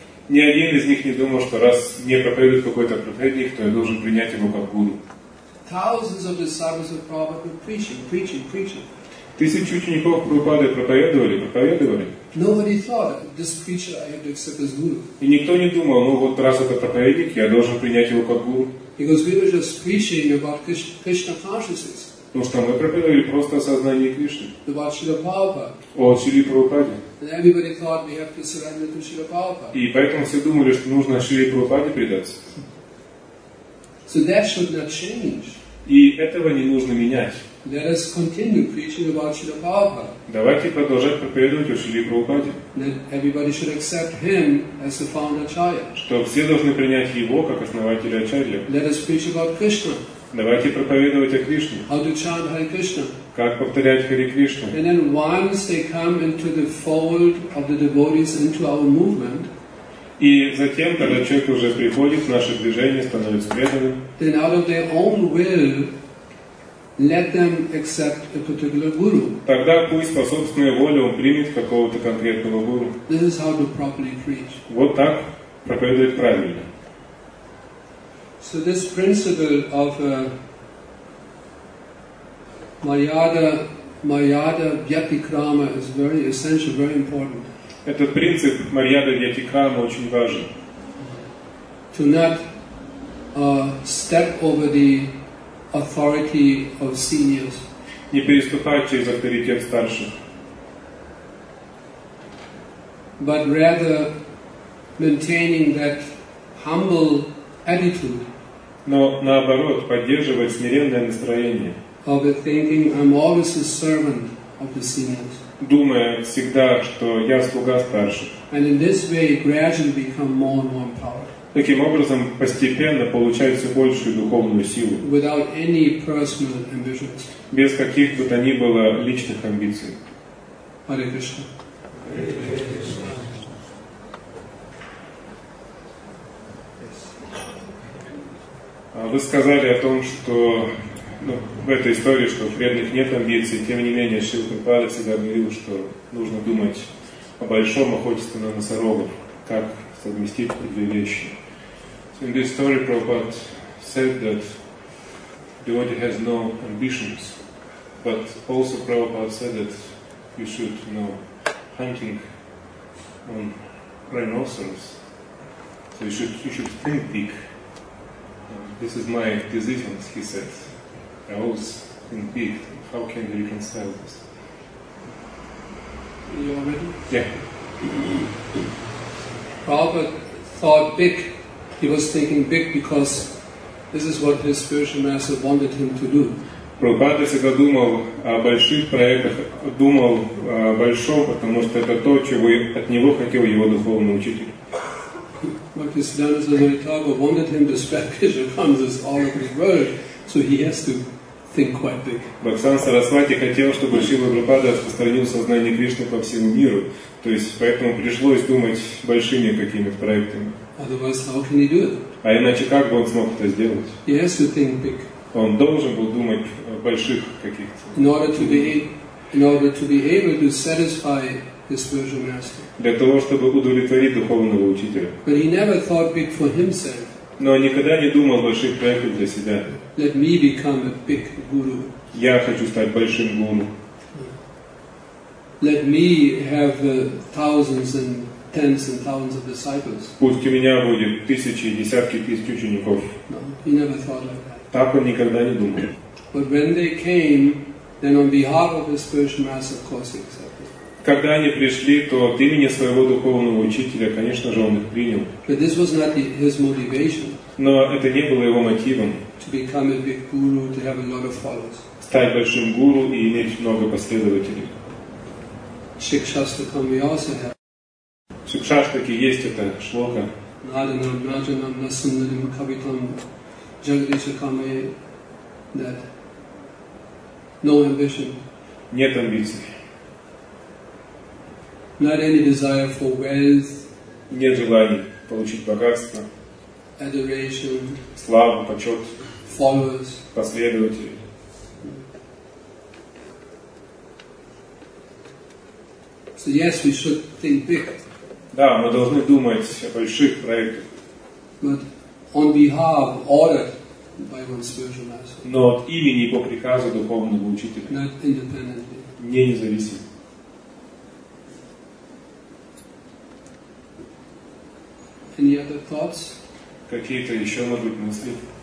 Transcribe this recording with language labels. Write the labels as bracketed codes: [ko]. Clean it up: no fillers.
[ru] Ни один из них не думал, что раз мне проповедует какой-то проповедник, то я должен принять его как гуру. [en] Thousands of disciples of Prabhupada were preaching. [ru] Тысячи учеников Прабхупады проповедовали. [en] Nobody thought this preacher I have to accept as guru. [ru] И никто не думал, ну вот раз это проповедник, я должен принять его как гуру. [en] Because we were just preaching about Krishna consciousness. [ru] Потому что мы проповедовали просто о сознании Кришны. [en] About Srila Prabhupada. [ru] О Шри Прабхупаде. [en] And everybody thought we have to surrender to Srila Prabhupada. [ru] И поэтому все думали, что нужно Шри Прабхупаде предаться. [en] So that should not change. [ru] И этого не нужно менять. [en] Let us continue preaching about Srila Prabhupada. [ru] Давайте продолжать проповедовать о Шриле Прабхупаде. [en] That everybody should accept him as the founder acharya. [ru] Что все должны принять его как основателя ачарья. [en] Let us preach about Krishna. [ru] Давайте проповедовать о Кришне. [en] How to chant Hare Krishna. [ru] Как повторять Хари Кришну. [en] And then once they come into the fold of the devotees into our movement. [ru] И затем, когда человек уже приходит в наше движение, становится преданным. [en] Then out of their own will. Let them accept a particular guru. [ru] Тогда пусть по собственной воле он примет какого-то конкретного гуру. [en] This is how to properly preach. [ru] Вот так проповедовать правильно. [en] So this principle of Maryada Vyatikrama is very essential, very important. [ru] Этот принцип Maryada Vyatikrama очень важен. [en] To not step over the authority of seniors. [ru] Не переступать через авторитет старших. [en] But rather maintaining that humble attitude. [ru] Но наоборот, поддерживать смиренное настроение. [en] Of thinking I'm always a servant of the seniors. [ru] Думая всегда, что я слуга старших. [en] And in this way gradually become more and more empowered. [ru] Таким образом, постепенно получает все большую духовную силу. [en] Without any personal ambitions. [ru] Без каких бы то ни было личных амбиций. [en] Hare Krishna. [ru] Вы сказали о том, что ну, в этой истории, что у преданных нет амбиций, тем не менее, Шрила Прабхупада всегда говорил, что нужно думать о большом, охотиться на носорогов, как совместить эти две вещи. [en] So in this story, Prabhupada said that devotee has no ambitions, but also Prabhupada said that you should, you know, hunting on rhinoceros. So you should think big. This is my decision, he said. I always think big. How can we reconcile this? Are you all ready? Yeah. Prabhupada thought big. He was thinking big because this is what his spiritual master wanted him to do. [ru] Prabhupada всегда думал о больших проектах, думал о большом, потому что это то, чего от него хотел его духовный учитель. [en] Bhaktisiddhanta Saraswati Thakur wanted him to spread Krishna consciousness all over the world, so he has to think quite big. [ru] Bhaktisiddhanta Saraswati хотел, чтобы Шрила Прабхупада распространил сознание Кришны по всему миру, то есть поэтому пришлось думать большими какими-то проектами. [en] Otherwise, how can he do it? [ru] А иначе как бы он смог это сделать? [en] He has to think big. [ru] Он должен был думать о больших каких-то. [en] In order to be able to satisfy his spiritual master. [ru] Для того, чтобы удовлетворить духовного учителя. [en] But he never thought big for himself. [ru] Но никогда не думал о больших проектах для себя. [en] Let me become a big guru. [ru] Я хочу стать большим гуру. [en] Let me have thousands and tens and thousands of disciples. [ru] Пусть у меня будет тысячи, десятки тысяч учеников. [en] No, he never thought like that. [ru] Так он никогда не думал. [en] But when they came, then on behalf of his spiritual master, of course, he accepted. [ru] Когда они пришли, то от имени своего духовного учителя, конечно же, он их принял. [en] But this was not his motivation. [ru] Но это не было его мотивом. [en] To become a big guru, to have a lot of followers. [ru] Стать большим гуру и иметь много последователей. [en] Шикшастакам we also have. [ru] Шикшастаки есть эта шлока. [sa] Наданам браджанам насундарим кавитам джагадишакаме [en] that no ambition. [ru] Нет амбиций. [en] Not any desire for wealth. [ru] Нет желания получить богатство. [en] Adoration. [ru] Славу, почет. [en] Followers. [ru] Последователи. [en] So yes, we should think big. [ru] Да, мы должны думать о больших проектах. [en] But on behalf ordered by one spiritual master. [ru] Но от имени и по приказу духовного учителя. [en] Not independently. [ru] Не независимо. [en] Any other thoughts? [ru] Какие-то еще, может быть, мысли?